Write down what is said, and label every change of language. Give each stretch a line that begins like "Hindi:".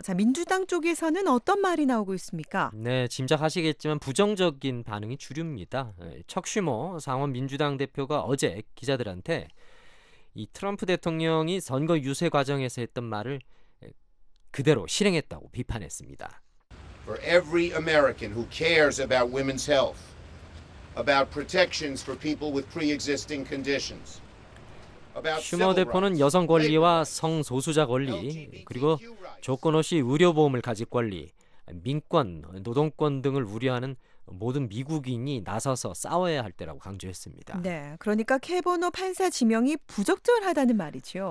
Korean: 자 민주당 쪽에서는 어떤 말이 나오고 있습니까? 네, 짐작하시겠지만 부정적인 반응이 주류입니다. 척 슈머 상원 민주당 대표가 어제 기자들한테 이 트럼프 대통령이 선거 유세 과정에서 했던 말을 그대로 실행했다고 비판했습니다.
English: For every American who cares about women's health, about protections for people with pre-existing conditions.
Korean: 슈머 대표는 여성 권리와 성소수자 권리, 그리고 조건 없이 의료보험을 가질 권리, 민권, 노동권 등을 우려하는 모든 미국인이 나서서 싸워야 할 때라고 강조했습니다. 네, 그러니까 캐버너 판사 지명이 부적절하다는 말이죠.